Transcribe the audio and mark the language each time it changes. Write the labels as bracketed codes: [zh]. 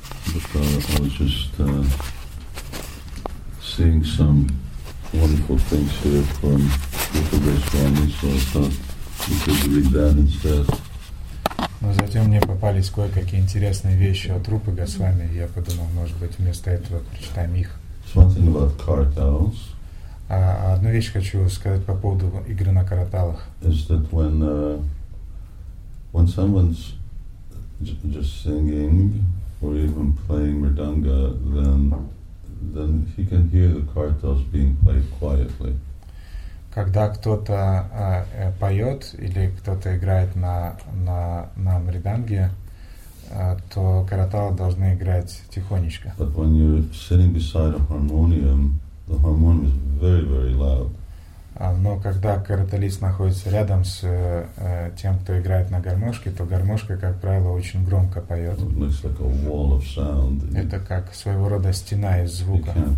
[en] Prabhupada, I was just seeing some wonderful things here from Rupa Goswami, so I thought we could read that instead. [ru] Но затем мне попались кое-какие интересные вещи от Рупы Госвами, и я подумал, может быть, вместо этого прочитаем их. [en] Something about cartels. [ru] Одну вещь хочу сказать по поводу игры на караталах. [en] Is that when someone's just singing or even playing mridanga, then he can hear the cartels being played quietly. [ru] Когда кто-то поет или кто-то играет на мриданге, то караталы должны играть тихонечко. [en] But when you're sitting beside a harmonium, the harmonium is very, very loud. [ru] Но когда караталист находится рядом с тем, кто играет на гармошке, то гармошка, как правило, очень громко поет. [en] Like a wall of sound. [ru] Это как своего рода стена из звука.